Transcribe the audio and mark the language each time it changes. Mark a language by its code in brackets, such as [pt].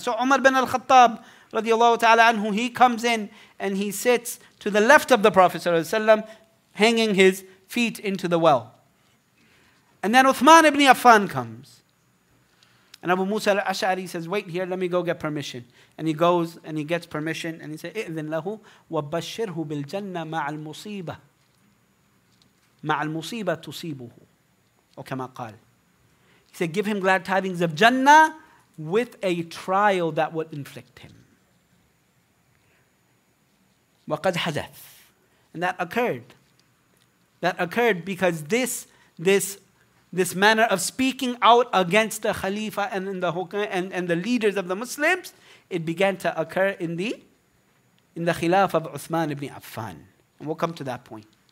[en] So Umar bin al-Khattab, radiallahu ta'ala anhu, he comes in and he sits to the left of the Prophet, hanging his feet into the well. And then Uthman ibn Affan comes. And Abu Musa al-Ash'ari says, wait here, let me go get permission. And he goes and he gets permission and he says, [ar] اِذِن لَهُ وَبَشِّرْهُ بِالْجَنَّةِ مَعَ الْمُصِيبَةِ مَعَ الْمُصِيبَةِ تُصِيبُهُ وَكَمَا قَالْ. [en] He said, give him glad tidings of Jannah with a trial that would inflict him. [ar] وَقَدْ حَزَثْ. [en] And that occurred. That occurred because this manner of speaking out against the Khalifa and the leaders of the Muslims, it began to occur in the Khilaf of Uthman ibn Affan. And we'll come to that point.